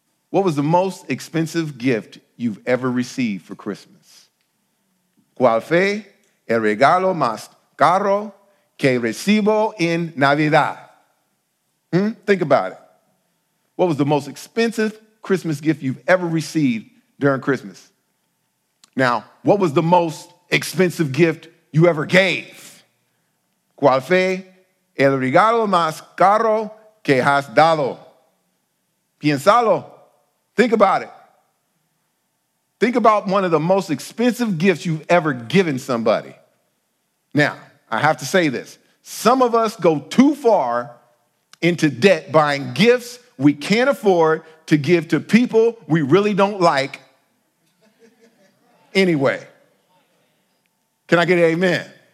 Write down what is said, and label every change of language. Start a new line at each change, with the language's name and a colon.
English: What was the most expensive gift you've ever received for Christmas?
Spanish: ¿Cuál fue el regalo más caro que recibo en Navidad?
English: Think about it. What was the most expensive Christmas gift you've ever received during Christmas? Now, what was the most expensive gift you ever gave?
Spanish: ¿Cuál fue el regalo más caro que has dado? Piénsalo.
English: Think about it. Think about one of the most expensive gifts you've ever given somebody. Now, I have to say this. Some of us go too far into debt buying gifts we can't afford to give to people we really don't like anyway. Can I get an amen?